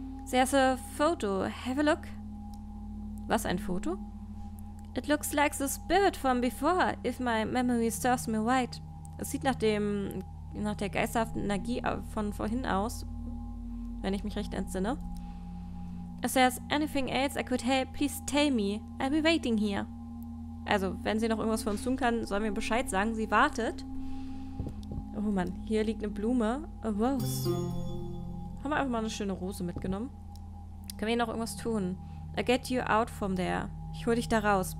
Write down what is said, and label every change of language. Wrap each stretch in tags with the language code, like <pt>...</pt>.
<en>There's a photo. Have a look.</en> <de>Was, ein Foto?</de> <en>It looks like the spirit from before, if my memory serves me right.</en> <de>Es sieht nach der geisterhaften Energie von vorhin aus, wenn ich mich recht entsinne.</de> <en>If there's anything else I could help, please tell me. I'll be waiting here.</en> <de>Also, wenn sie noch irgendwas für uns tun kann, soll mir Bescheid sagen. Sie wartet. Oh Mann, hier liegt eine Blume.</de> <en>A rose.</en> <de>Haben wir einfach mal eine schöne Rose mitgenommen. Können wir hier noch irgendwas tun?</de> <en>I get you out from there.</en> <de>Ich hol dich da raus.</de>